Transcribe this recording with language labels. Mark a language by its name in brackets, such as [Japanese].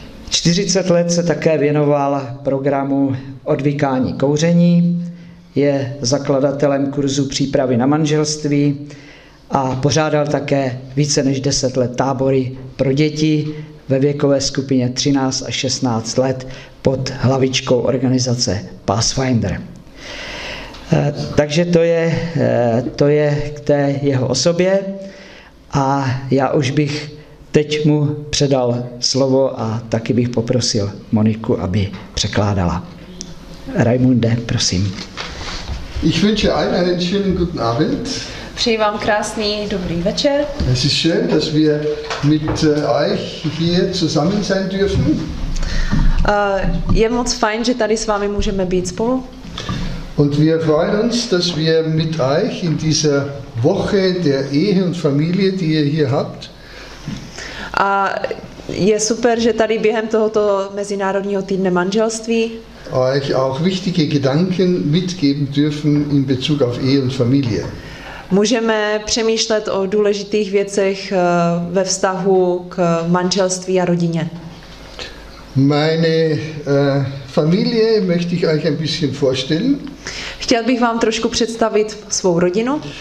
[Czech] 40 let se také věnoval programu odvykání kouření, je zakladatelem kurzu přípravy na manželství a pořádal také více než 10 let tábory pro děti ve věkové skupině 13 až 16 let pod hlavičkou organizace Pathfinder. Takže to je k té jeho osobě a já už bych teď mu předal slovo a taky bych poprosil Moniku, aby překládala. Raimunde, prosím. [German] Ich wünsche allen einen schönen guten Abend. [Czech] Přeji vám krásný dobrý večer. [German] Es ist schön, dass wir mit euch hier zusammen sein dürfen. [Czech] Je moc fajn, že tady s vámi můžeme být spolu. [German] Und wir freuen uns, dass wir mit euch in dieser Woche der Ehe und Familie, die ihr hier habt. [Czech] A je super, že tady během tohoto mezinárodního týdne manželství [German] euch auch wichtige Gedanken mitgeben dürfen in Bezug auf Ehe und Familie. [Czech] Můžeme přemýšlet o důležitých věcech ve vztahu k manželství a rodině. [German] Meine Familie möchte ich euch ein bisschen vorstellen. [Czech] Chtěl bych vám trošku představit svou rodinu.